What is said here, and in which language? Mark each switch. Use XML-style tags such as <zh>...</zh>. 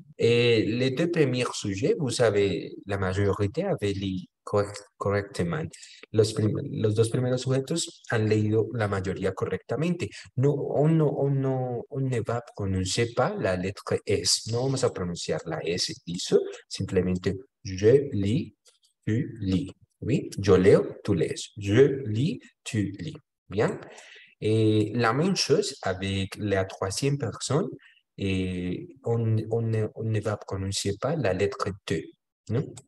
<fr>Les deux premiers sujets, vous avez, la majorité avait lu correctement.</fr> <es>Los dos primeros sujetos han leído la mayoría correctamente.</es> <fr>No, on ne va prononcer pas la lettre S.</fr> <es>No vamos a pronunciar la S, dice. Simplemente,</es> <fr>je lis, tu lis.</fr> <es>Oui, yo leo, tú lees.</es> <fr>Je lis, tu lis.</fr> <es>Bien.</es> <fr>Et la même chose avec la troisième personne, et on ne va prononcer pas la lettre T, non?</fr>